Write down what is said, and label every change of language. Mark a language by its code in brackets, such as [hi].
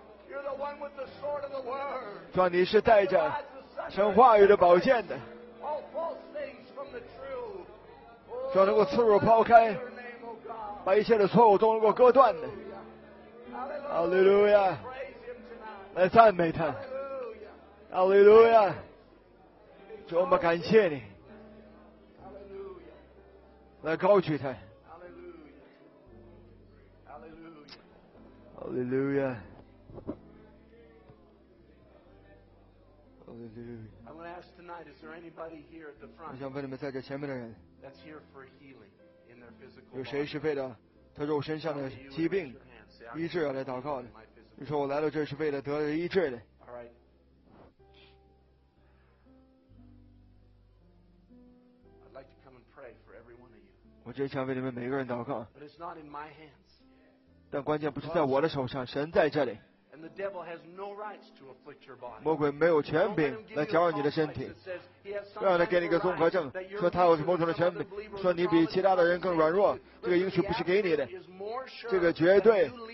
[en] You're the one with the sword of the word. [zh] 主啊，你是带着神话语的宝剑的。 [en] All false things from the true. [zh] 主啊，能够刺入抛开，把一切的错误都能够割断的。 [en] Hallelujah. [zh] 来赞美他，哈利路亚！主，我们感谢你，哈利路亚！来高举他，哈利路亚！哈利路亚！哈利路亚！哈利路亚 [en] ！I'm going to ask tonight, is there anybody here at the front? [zh] 我想问你们在这前面的人 [en] ，That's here for healing in their physical. [zh] 有谁是为了他肉身上的疾病医治而来祷告的？你说我来到这是为了得医治的。 [en] All right. I'd like to come and pray for every one of you. [zh] 我真想为你们每个人祷告。 [en] But it's not in my hands. [zh] 但关键不是在我的手上，神在这里。 [en] And the devil has no rights to afflict your body. [zh] 魔鬼没有权柄来搅扰你的身体。让他给你个综合症，说他有某种的权柄，说你比其他的人更软弱。这个应许不是给你的，这个绝对。